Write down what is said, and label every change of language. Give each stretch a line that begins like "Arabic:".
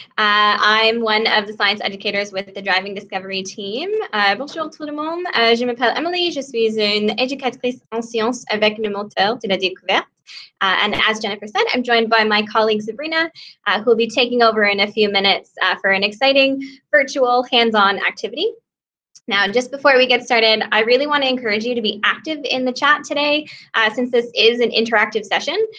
English: I'm one of the science educators with the Driving Discovery team.
French: Bonjour tout le monde. Je m'appelle Emily. Je suis une éducatrice en sciences avec le moteur de la découverte.
English: And as Jennifer said, I'm joined by my colleague Zabrina, who will be taking over in a few minutes for an exciting virtual hands-on activity. Now, just before we get started, I really want to encourage you to be active in the chat today, since this is an interactive session.